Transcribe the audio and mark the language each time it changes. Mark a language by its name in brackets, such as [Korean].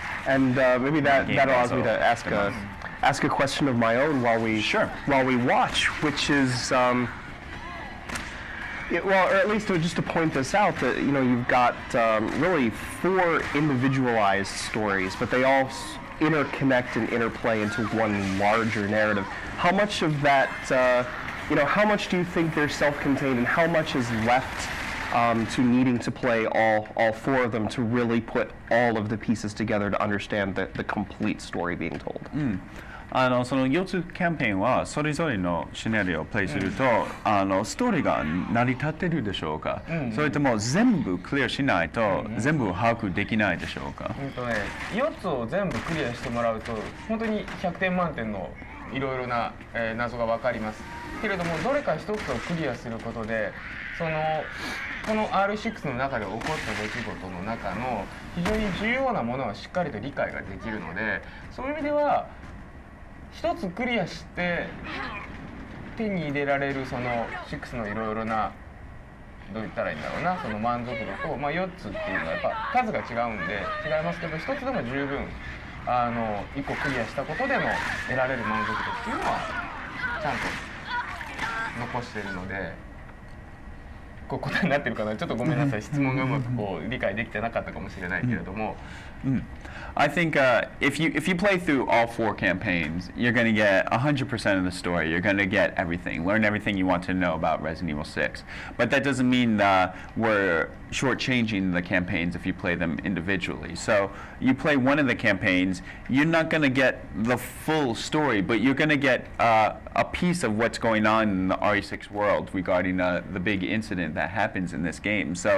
[English] And maybe that allows me to ask a question of my own while we while we watch, which is or at least just to point this out, that you know you've got really four individualized stories, but they all interconnect and interplay into one larger narrative. How much of that how much do you think they're self-contained, and how much is left to needing to play all four of them to really put all of the pieces together to understand the complete story being told? [Japanese] その4つキャンペーンはそれぞれのシナリオをプレイすると、ストーリーが成り立ってるでしょうか、それとも全部クリアしないと全部把握できないでしょうか、 4つを全部クリアしてもらうと本当に100点満点のいろいろな、謎が分かりますけれども、どれか1つをクリアすることでこの R6 の中で起こった出来事の中の非常に重要なものはしっかりと理解ができるので、そういう意味では一つクリアして手に入れられるその6のいろいろな、どう言ったらいいんだろうな、その満足度と、まあ、4つっていうのはやっぱ数が違うんで違いますけど、一つでも十分1個クリアしたことでも得られる満足度っていうのはちゃんと残してるので。答えになってるかな。ちょっとごめんなさい。質問がうまくこう理解できてなかったかもしれないけれども。 [English] I think if you play through all four campaigns, you're going to get 100% of the story. You're going to get everything, learn everything you want to know about Resident Evil 6. But that doesn't mean that we're shortchanging the campaigns if you play them individually. So you play one of the campaigns, you're not going to get the full story, but you're going to get a piece of what's going on in the RE6 world regarding the big incident that happens in this game.